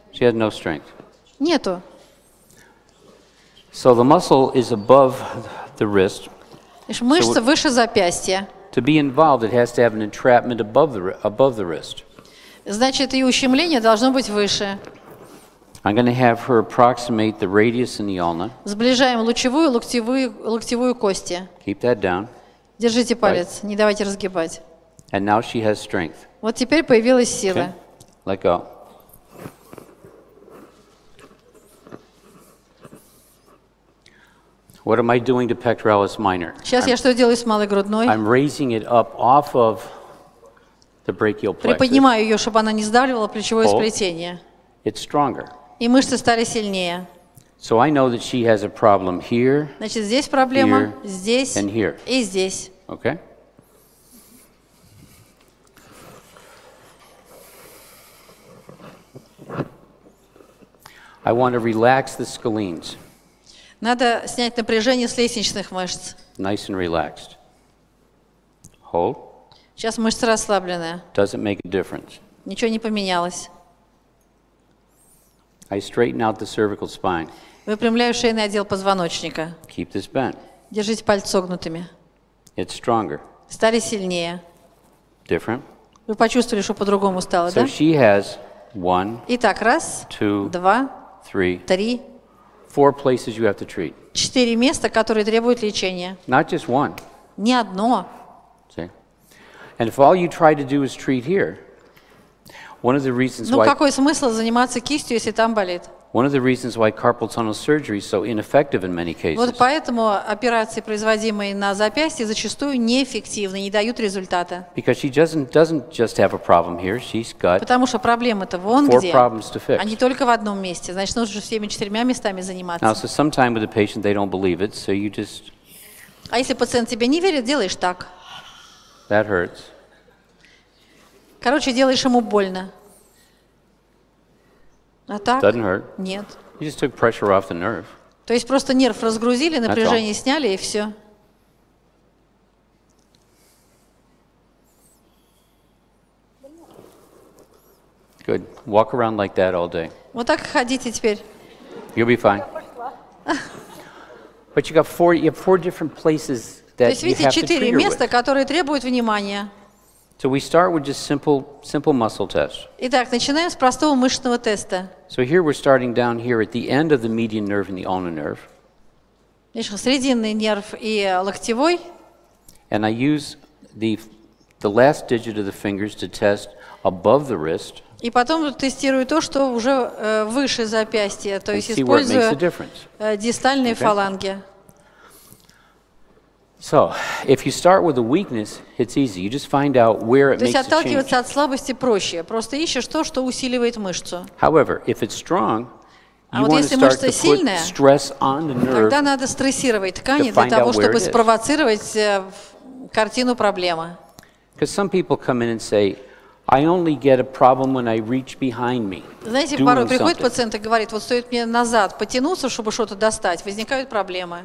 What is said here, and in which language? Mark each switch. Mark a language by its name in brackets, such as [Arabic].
[English] She has no strength. [Russian] Нету. [English] So the muscle is above the wrist. [Russian] Мышца выше запястья. [English] To be involved, it has to have an entrapment above the wrist. [Russian] Значит, и ущемление должно быть выше. [English] I'm going to have her approximate the radius in the ulna. [Russian] Сближаем лучевую, локтевую кости. [English] Keep that down. [Russian] Держите палец, right. Не давайте разгибать. [English] And now she has strength. [Russian] Вот теперь появилась сила. [English] Okay. Let go. What am I doing to pectoralis minor? [Russian] Сейчас я что делаю с малой грудной? [English] I'm raising it up off of the brachial plexus. [Russian] Приподнимаю ее, чтобы она не сдавливала плечевое сплетение. [English] It's stronger. [Russian] И мышцы стали сильнее. [English] So I know that she has a problem here. [Russian] Значит, здесь проблема, [English] here, [Russian] здесь [English] and here. [Russian] И здесь. [English] Okay. I want to relax the scalenes. [Russian] Надо снять напряжение с лестничных мышц. [English] Nice and relaxed. Hold. [Russian] Сейчас мышцы расслаблены. [English] Doesn't make a difference. [Russian] Ничего не поменялось. [English] I straighten out the cervical spine. [Russian] Выпрямляю шейный отдел позвоночника. [English] Keep this bent. [Russian] Держите пальцы согнутыми. [English] It's stronger. [Russian] Стали сильнее. [English] Different. [Russian] Вы почувствовали, что по-другому стало, [English] so [Russian] да? [English] So she has one. [Russian] Итак, раз, [English] two, [Russian] два. [English] Three. Four places you have to treat. [Russian] Четыре места, которые требуют лечения. [English] Not just one. [Russian] Не одно. [English] See? And if all you try to do is treat here, one of the reasons why. [Russian] Ну какой смысл заниматься кистью, если там болит? [English] One of the reasons why carpal tunnel surgery is so ineffective in many cases. [Russian] Вот поэтому операции, производимые на запястье, зачастую неэффективны, не дают результата. [English] Because she doesn't just have a problem here, she's got. [Russian] Потому что проблема-то вон [English] four [Russian] где. [English] Four problems to fix. [Russian] А не только в одном месте. Значит, нужно же всеми четырьмя местами заниматься. [English] Now, so sometimes with a patient, they don't believe it, so you just. [Russian] А если пациент тебе не верит, делаешь так. [English] That hurts. [Russian] Короче, делаешь ему больно. А так? [English] Doesn't hurt. [Russian] Нет. [English] You just took pressure off the nerve. [Russian] То есть просто нерв разгрузили, напряжение сняли и все. [English] Good. Walk around like that all day. [Russian] Вот так ходите теперь. [English] You'll be fine. But you got four. You have four different places that you have to treat her with. [Russian] То есть видите, четыре места, которые требуют внимания. [English] So we start with just simple muscle test. [Russian] Итак, начинаем с простого мышечного теста. [English] So here we're starting down here at the end of the median nerve and the ulnar nerve. [Russian] Срединный нерв и локтевой. [English] And I use the last digit of the fingers to test above the wrist. [Russian] И потом тестирую то, что уже выше запястья, то есть использую дистальные фаланги. [English] So, if you start with a weakness, it's easy. You just find out where it makes a change. [Russian] То есть отталкиваться от слабости проще. Просто ищешь то, что усиливает мышцу. [English] However, if it's strong, you want to start to put stress on the nerve. [Russian] Тогда надо стрессировать ткани для того, чтобы спровоцировать картину проблемы. [English] Because some people come in and say, I only get a problem when I reach behind me. [Russian] Знаете, порой приходит пациент и говорит, вот стоит мне назад потянуться, чтобы что-то достать, возникают проблемы.